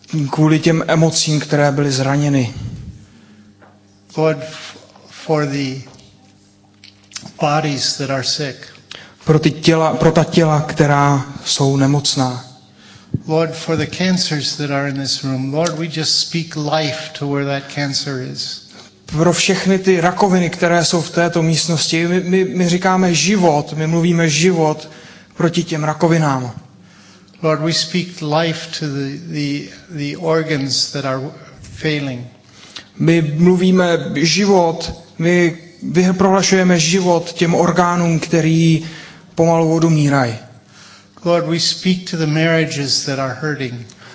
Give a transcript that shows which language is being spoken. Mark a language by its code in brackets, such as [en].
[cs] Kvůli těm emocím, které byly zraněny. [en] Lord, for the bodies that are sick. [cs] Pro ta těla, která jsou nemocná. [en] Lord, for the cancers that are in this room. Lord, we just speak life to where that cancer is. [cs] Pro všechny ty rakoviny, které jsou v této místnosti, my říkáme život, my mluvíme život proti těm rakovinám. [en] Lord, we speak life to the organs that are failing. [cs] My mluvíme život, my vyprohlašujeme život těm orgánům, který pomalu odumírají. [en] Lord, we speak to the marriages that are hurting.